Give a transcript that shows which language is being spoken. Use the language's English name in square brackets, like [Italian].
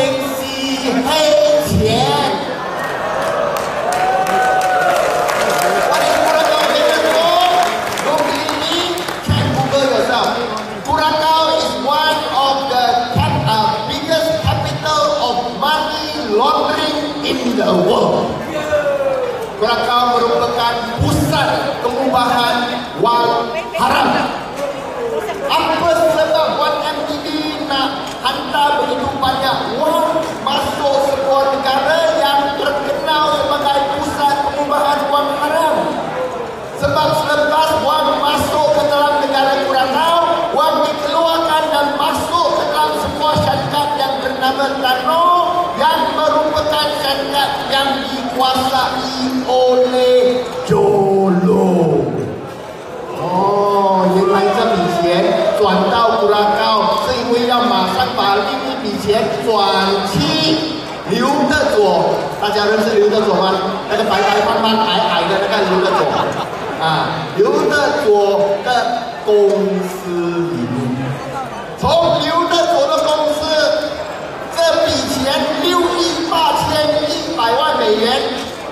[Chinese] 出名他们的那个白色的沙滩吗？美丽的沙滩吗？不是。出名出产石油吗？不是。出名他们的海鲜？不是。古拉高出名什么？古拉高出名洗黑钱。 [Malay] Krakow merupakan pusat pengubahan wang haram. Apa sebab 1MDB nak hantar begitu banyak wang masuk sebuah negara yang terkenal sebagai pusat pengubahan wang haram? Sebab selepas wang masuk ke dalam negara Krakow, wang dikeluarkan dan masuk ke dalam sebuah syarikat yang bernama Tano yang merupakan syarikat yang dikuasai oleh Jolo. [Chinese] Oh, 原来这笔钱转到古拉高，是因为要马上把另一笔钱转去刘德佐。大家认识刘德佐吗？那个白白胖胖矮矮的那个刘德佐啊，刘德佐的公司里面，从刘德佐的公司，这笔钱6亿8千100万美元。